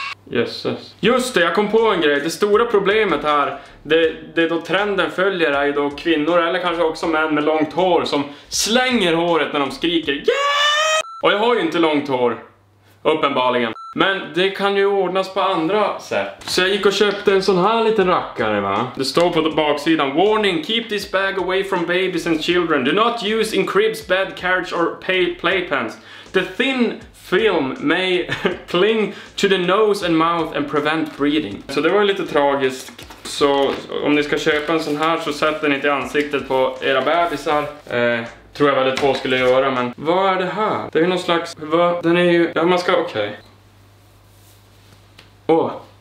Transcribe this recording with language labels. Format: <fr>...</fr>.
<sv>Jesus. Just det, jag kom på en grej. Det stora problemet här, det då trenden följer är ju då kvinnor eller kanske också män med långt hår som slänger håret när de skriker yeah! Och jag har ju inte långt hår, uppenbarligen. Men det kan ju ordnas på andra sätt. Så jag gick och köpte en sån här liten rackare va? Det står på baksidan.</sv> <en>Warning, keep this bag away from babies and children. Do not use in cribs, bed, carriage or playpens. The thin film may cling to the nose and mouth and prevent breathing.</en> <sv>Så det var lite tragiskt. Så om ni ska köpa en sån här så sätt den inte i ansiktet på era bebisar. Tror jag väldigt få skulle göra, men vad är det här? Det är någon slags, vad? Den är ju, ja man ska, okej.</sv> <en>Okay.</en>